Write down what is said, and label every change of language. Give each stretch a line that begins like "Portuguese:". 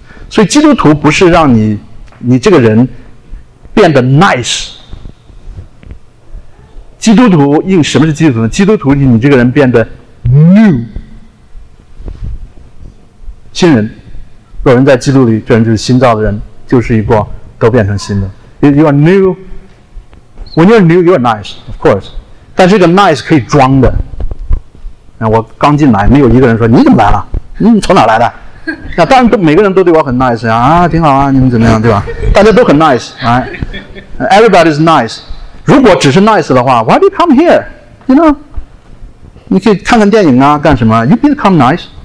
Chinese: 所以基督徒不是让你这个人变得 nice， 基督徒应什么是基督徒呢？基督徒你这个人变得 new， 新人。若人在基督里，这人就是新造的人，就是一个都变成新的。
English: You are newWhen you're new, you're nice, of course.
Chinese: 但是这个 nice 可以装的。我刚进来，没有一个人说你怎么来了？你从哪来的？那当然，每个人都对我很 nice 啊，挺好啊，你们怎么样，对吧？大家都很 nice，
English: right？ Everybody is nice.
Chinese: 如果只是 nice 的话
English: why do you come here? You know,
Chinese: 你可以看看电影啊干什么
English: you become nice.